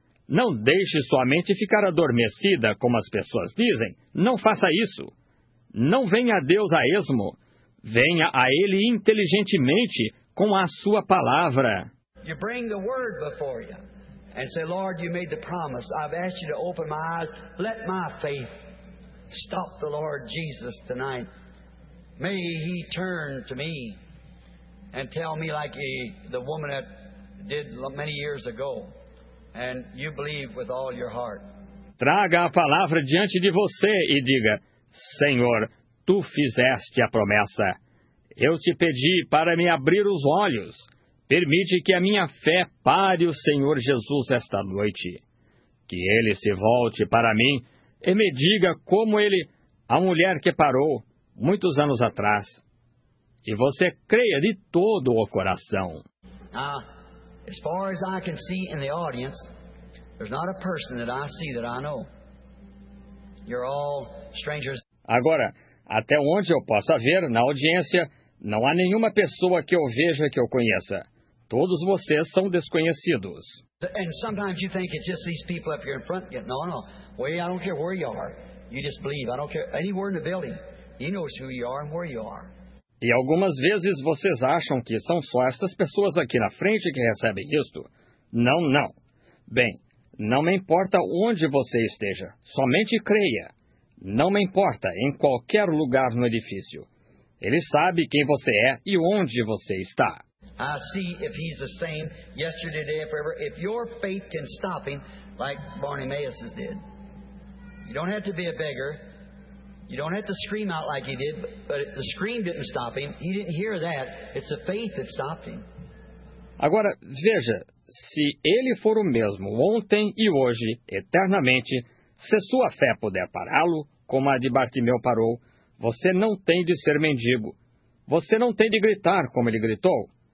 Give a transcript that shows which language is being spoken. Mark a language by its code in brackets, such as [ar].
[pt] Não deixe sua mente ficar adormecida, como as pessoas dizem. Não faça isso. Não venha a Deus a esmo. Venha a Ele inteligentemente, com a sua palavra. [en] You bring the word before you and say, Lord, you made the promise. I've asked you to open my eyes. Let my faith stop the Lord Jesus tonight. May he turn to me and tell me like the woman that did many years ago. And you believe with all your heart. [pt] Traga a palavra diante de você e diga, Senhor, tu fizeste a promessa. Eu te pedi para me abrir os olhos. Permite que a minha fé pare o Senhor Jesus esta noite. Que ele se volte para mim e me diga como ele, a mulher que parou muitos anos atrás. E você creia de todo o coração. [en] Now, as far as I can see in the audience, there's not a person that I see that I know. You're all strangers. [pt] Agora, até onde eu possa ver na audiência, não há nenhuma pessoa que eu veja que eu conheça. Todos vocês são desconhecidos. [en] And sometimes you think it's just these people up here in front. No, no. Well, I don't care where you are. You just believe. I don't care anywhere in the building. He knows who you are and where you are. [pt] E algumas vezes vocês acham que são só estas pessoas aqui na frente que recebem isto. Não, não. Bem, não me importa onde você esteja. Somente creia. Não me importa em qualquer lugar no edifício. Ele sabe quem você é e onde você está. [en] I see if he's the same yesterday, today, forever. If your faith can stop him, like Bartimaeus did. You don't have to be a beggar. You don't have to scream out like he did. But the scream didn't stop him. He didn't hear that. It's the faith that stopped him. [pt] Agora, veja, se ele for o mesmo ontem e hoje, eternamente, se sua fé puder pará-lo, como a de Bartimeu parou, você não tem de ser mendigo. Você não tem de gritar como ele gritou.